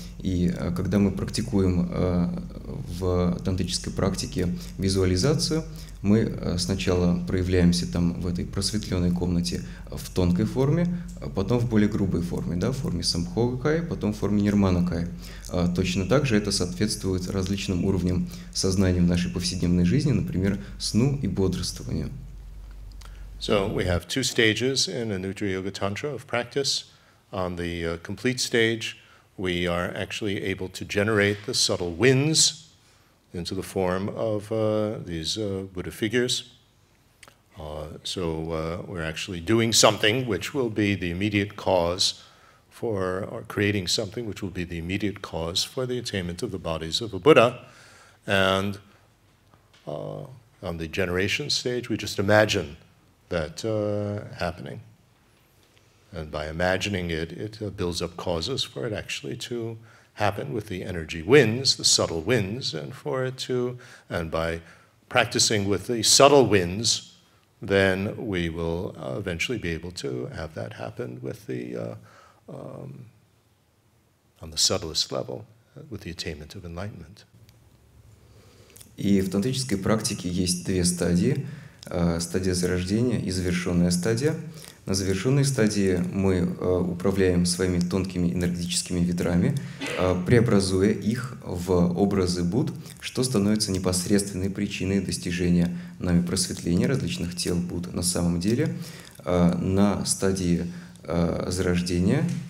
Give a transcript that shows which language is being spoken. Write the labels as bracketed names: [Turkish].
[Russian] И когда мы практикуем в тантрической практике визуализацию, мы сначала проявляемся там в этой просветленной комнате в тонкой форме, потом в более грубой форме, да, в форме самбхогакая, потом в форме нирманакая. Точно так же это соответствует различным уровням сознания в нашей повседневной жизни, например, сну и бодрствованию. [English] So we have two stages in a Nutri Yoga Tantra of practice. On the complete stage, we are actually able to generate the subtle winds into the form of these Buddha figures. We're actually doing something which will be the immediate cause for, or creating something which will be the immediate cause for the attainment of the bodies of a Buddha. And on the generation stage, we just imagine that happening. And by imagining it, it builds up causes for it actually to happen with the energy winds, the subtle winds, and for it to, and by practicing with the subtle winds, then we will eventually be able to have that happen with the, on the subtlest level, with the attainment of enlightenment. [Russian] И в тантрической практике есть две стадии: стадия зарождения и завершенная стадия. На завершенной стадии мы управляем своими тонкими энергетическими ветрами, преобразуя их в образы Будд, что становится непосредственной причиной достижения нами просветления различных тел Будд на самом деле. На стадии зарождения